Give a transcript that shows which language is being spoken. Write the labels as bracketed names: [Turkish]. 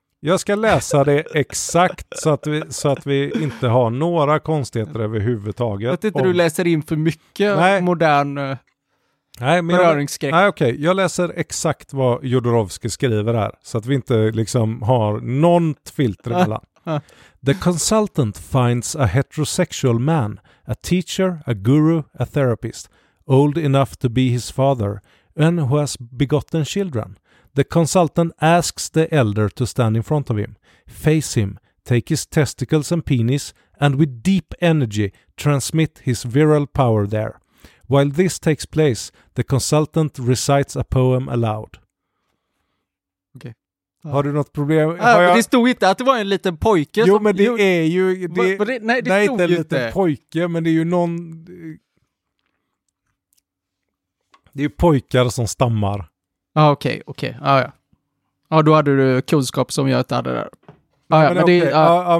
[Swedish] Jag ska läsa det exakt så att vi inte har några konstigheter överhuvudtaget. Att inte du läser in för mycket modern... Nej, men beröringsskräck. Nej, okej. Jag läser exakt vad Jodorowsky skriver här, så att vi inte liksom har någon filter emellan. [English] The consultant finds a heterosexual man, a teacher, a guru, a therapist, old enough to be his father, and who has begotten children. The consultant asks the elder to stand in front of him, face him, take his testicles and penis, and with deep energy transmit his virile power there. While this takes place, the consultant recites a poem aloud. Okay. [Swedish] Har du något problem? Det stod inte att det var en liten pojke. Jo, men det är ju... Nej, det stod inte. Nej, inte en liten pojke, men det är ju någon... Det är ju pojkar som stammar. Ja, okej, okej. Ja. Ja, då hade du kunskap som jag inte hade där.